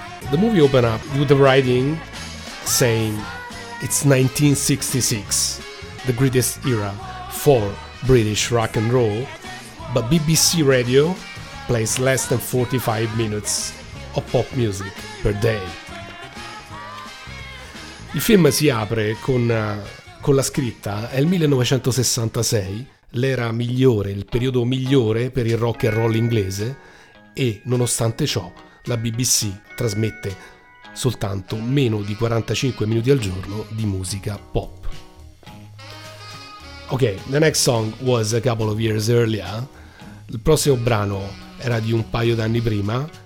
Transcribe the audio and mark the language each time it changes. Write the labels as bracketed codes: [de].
[en] The movie opens up with the writing saying it's 1966, the greatest era for British rock and roll, but BBC radio plays less than 45 minutes of pop music per day. [it] Il film si apre con la scritta è il 1966, l'era migliore, il periodo migliore per il rock and roll inglese e, nonostante ciò, la BBC trasmette soltanto meno di 45 minuti al giorno di musica pop. [en] Ok, the next song was a couple of years earlier. [it] Il prossimo brano era di un paio d'anni prima.